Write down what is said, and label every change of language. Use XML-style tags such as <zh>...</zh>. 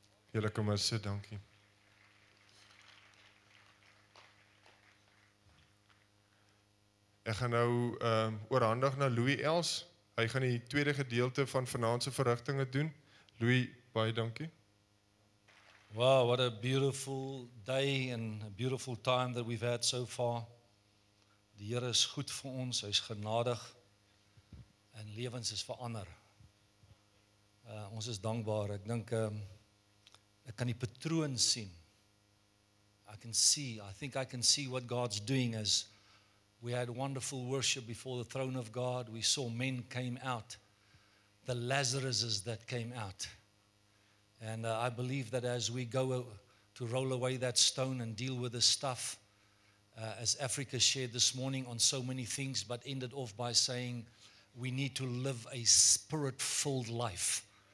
<af>Julle kan maar sit, dankie. Ek gaan nou oorhandig na Louis Els. Hy gaan die tweede gedeelte van vanaand se verrigtinge doen. Louis, baie dankie.</af> <en>Wow, what a beautiful day and a beautiful time that we've had so far.</en> <af>Die Here is goed vir ons, hy is genadig. En lewens is verander. Ons is dankbaar. Ek dink, ek kan die patroon sien.</af> <en>I think I can see what God's doing as we had wonderful worship before the throne of God. We saw men came out. The Lazaruses that came out. And I believe that as we go to roll away that stone and deal with this stuff, as Africa shared this morning on so many things, but ended off by saying, we need to live a spirit-filled life.</en>